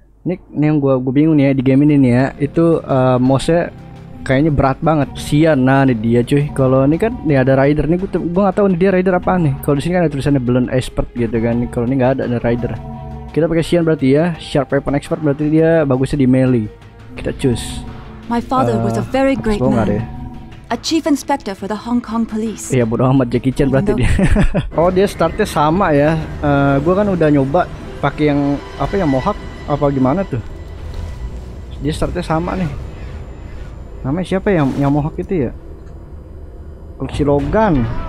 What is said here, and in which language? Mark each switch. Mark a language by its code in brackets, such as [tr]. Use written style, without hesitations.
[id] Ini yang gue bingung nih ya di game ini nih ya. Itu mouse-nya kayaknya berat banget. Sian, nah ini dia cuy. Kalau ini kan nih ada rider nih, gua enggak tahu nih dia rider apa nih. Kalau di sini kan ada tulisannya Blunt Expert gitu kan. Kalau ini enggak ada rider. Kita pakai Sian berarti ya. Sharp Weapon Expert berarti dia bagusnya di melee. Kita choose. [en] My father was a very great man. A chief inspector for the Hong Kong Police. [id] Iya, bodo amat Jackie Chan berarti dia. Oh, dia startnya sama ya. Gua kan udah nyoba pakai yang apa yang Mohawk apa gimana tuh. Dia startnya sama nih. Namanya siapa ya yang Mohawk itu ya? Si Logan.